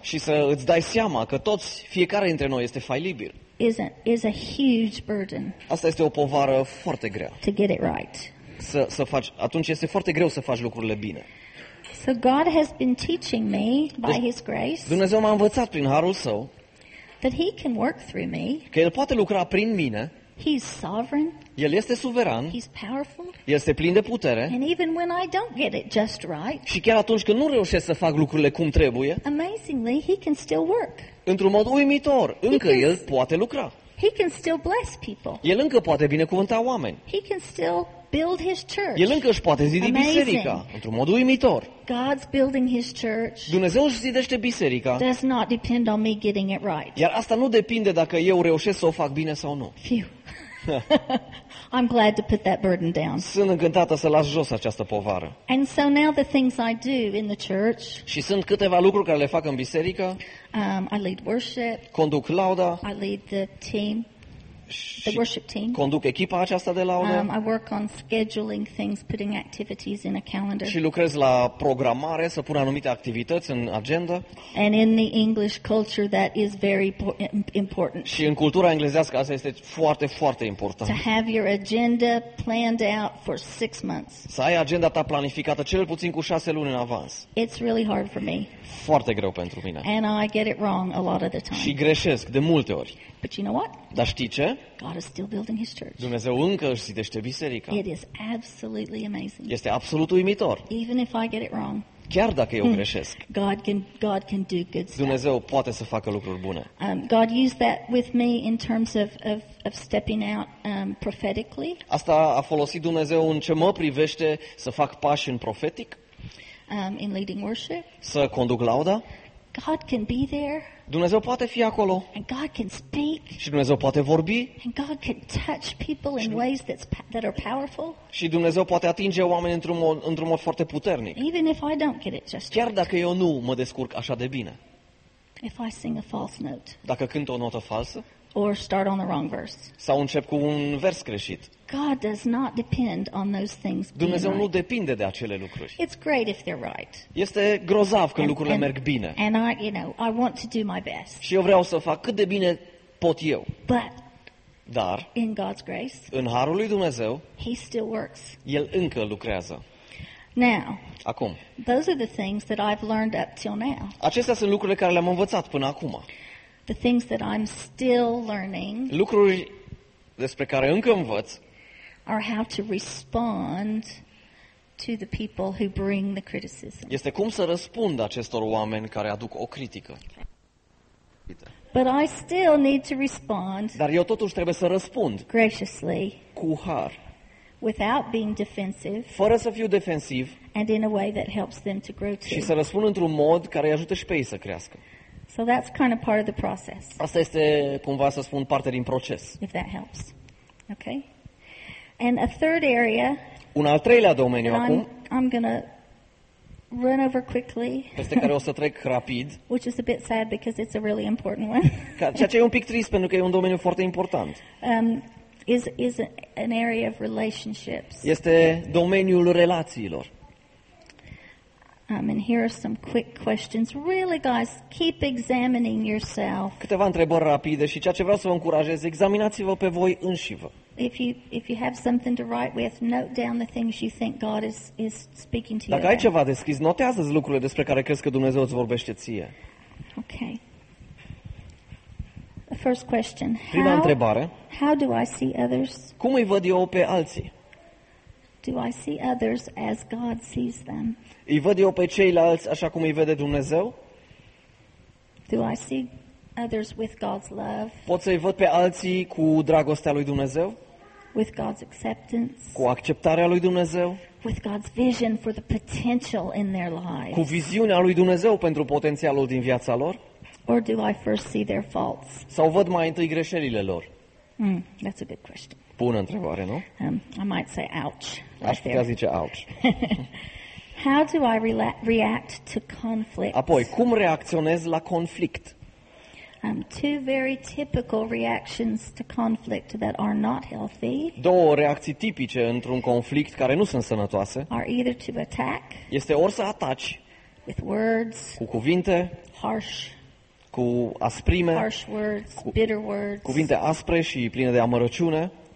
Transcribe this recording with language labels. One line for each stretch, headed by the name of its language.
Romanian: Și să îți dai seama că toți, fiecare dintre noi este falibil.
English: Is a huge burden.
Romanian: Asta este o povară foarte grea.
English: To get it right.
Romanian: Să faci, atunci este foarte greu să faci lucrurile bine.
English: So God has been teaching me by his grace.
Romanian: Dumnezeu m-a învățat prin harul său.
English: That he can work through me.
Romanian: Că el poate lucra prin mine.
English: He's sovereign.
Romanian: El este suveran.
English: He's powerful.
Romanian: El este plin de putere.
English: And even when I don't get it just right.
Romanian: Și chiar atunci când nu reușesc să fac lucrurile cum trebuie.
English: Amazingly, he can still work.
Romanian: Într-un mod uimitor, încă el poate lucra.
English: He can still bless people.
Romanian: El încă poate binecuvânta oameni.
English: He can still build his church.
Romanian: El încă își poate zidi biserica într-un mod uimitor.
English: God's building his church.
Romanian: Dumnezeu își zidește biserica.
English: Does not depend on me getting it right.
Romanian: Iar asta nu depinde dacă eu reușesc să o fac bine sau nu.
English: Phew. I'm glad to put that burden down.
Romanian: Sunt încântată să las jos această povară.
English: And so now the things I do in the church.
Romanian: Și sunt câteva lucruri care le fac în biserică.
English: I lead worship.
Romanian: Conduc lauda.
English: I lead the team. the worship team.
Romanian: Conduc echipa aceasta de laudă.
English: I work on scheduling things, putting activities in a calendar.
Romanian: Și lucrez la programare, să pun anumite activități în agenda.
English: And in the English culture that is very important.
Romanian: Și în cultura englezească asta este foarte, foarte important.
English: To have your agenda planned out for 6 months.
Romanian: Să ai agenda ta planificată cel puțin cu 6 luni în avans.
English: It's really hard for me.
Romanian: Foarte greu pentru mine.
English: And I get it wrong a lot of the time.
Romanian: Și greșesc de multe ori.
English: But you know what?
Romanian: Dar știi ce?
English: God is still building his church.
Romanian: Dumnezeu încă își zidește biserica.
English: It is absolutely amazing.
Romanian: Este absolut uimitor.
English: Even if I get it wrong.
Romanian: Chiar dacă eu greșesc.
English: God can do good stuff.
Romanian: Dumnezeu poate să facă lucruri bune.
English: God used that with me in terms of stepping out prophetically.
Romanian: Asta a folosit Dumnezeu în ce mă privește să fac pași în profetic.
English: In leading worship.
Romanian: Să conduc lauda.
English: God can be there.
Romanian: Dumnezeu poate fi acolo.
English: And God can speak.
Romanian: Și Dumnezeu poate vorbi.
English: And God can touch people in ways that are powerful.
Romanian: Și Dumnezeu poate atinge oameni într-un mod foarte puternic.
English: Even if I don't get it just
Romanian: chiar dacă eu nu mă descurc așa de bine.
English: If I sing a false note.
Romanian: Dacă cânt o notă falsă.
English: Or start on the wrong verse.
Romanian: Sau încep cu un vers greșit.
English: God does not depend on those things.
Romanian: Dumnezeu nu depinde de acele lucruri.
English: It's great if they're right.
Romanian: Este grozav când lucrurile merg bine.
English: And I, you know, I want to do my best.
Romanian: Și eu vreau să fac cât de bine pot eu.
English: But
Romanian: dar
English: in God's grace.
Romanian: În harul lui Dumnezeu.
English: He still works.
Romanian: El încă lucrează.
English: Now.
Romanian: Acum.
English: Those are the things that I've learned up till now.
Romanian: Acestea sunt lucrurile care le-am învățat până acum.
English: The things that I'm still learning.
Romanian: Lucruri despre care încă învăț.
English: Are how to respond to the people who bring the criticism.
Romanian: Este cum să răspund acestor oameni care aduc o critică.
English: But I still need to respond.
Romanian: Dar eu totuși trebuie să răspund.
English: Graciously.
Romanian: Cu har.
English: Without being defensive.
Romanian: Fără să fiu defensiv.
English: And in a way that helps them to grow too.
Romanian: Și să răspund într-un mod care îi ajută și pe ei să crească.
English: So that's kind of part of the process.
Romanian: Asta este, cumva să spun, parte din proces.
English: If that helps. Okay? And a third area.
Romanian: Un al treilea domeniu acum.
English: I'm going to run over quickly.
Romanian: Peste care o să trec rapid.
English: Which is a bit sad because it's a really important one.
Romanian: Ceea ce e un pic trist pentru că e un domeniu foarte important.
English: Is an area of relationships.
Romanian: Este domeniul relațiilor.
English: And here are some quick questions. Really, guys, keep examining yourself.
Romanian: Câteva întrebări rapide și ceea ce vreau să vă încurajez, examinați-vă pe voi înșivă.
English: If you have something to write with, note down the things you think God is speaking to you.
Romanian: Dacă ai ceva de scris, notează-ți lucrurile despre care crezi că Dumnezeu îți vorbește ție.
English: Okay. The first question.
Romanian: Prima întrebare.
English: How do I see others?
Romanian: Cum îi văd eu pe alții?
English: Do I see others as God sees them?
Romanian: Îi văd eu pe ceilalți așa cum îi vede Dumnezeu?
English: Do I see others with God's love?
Romanian: Pot să-i văd pe alții cu dragostea lui Dumnezeu?
English: With God's acceptance?
Romanian: Cu acceptarea lui Dumnezeu?
English: With God's vision for the potential in their lives?
Romanian: Cu viziunea lui Dumnezeu pentru potențialul din viața lor?
English: Or do I first see their faults?
Romanian: Sau văd mai întâi greșelile lor?
English: That's a good question.
Romanian: Bună întrebare, nu?
English: I might say ouch.
Romanian: Aș putea zice ouch.
English: How do I react to conflict?
Romanian: Apoi, cum reacționez la conflict?
English: Two very typical reactions to conflict that are not healthy.
Romanian: Două reacții tipice într-un conflict care nu sunt sănătoase.
English: Are either to attack.
Romanian: Este ori să ataci.
English: With words.
Romanian: Cu cuvinte.
English: Harsh.
Romanian: Cu asprime.
English: Harsh words.
Romanian: Cu
English: bitter words.
Romanian: Cuvinte aspre și pline de amărăciune.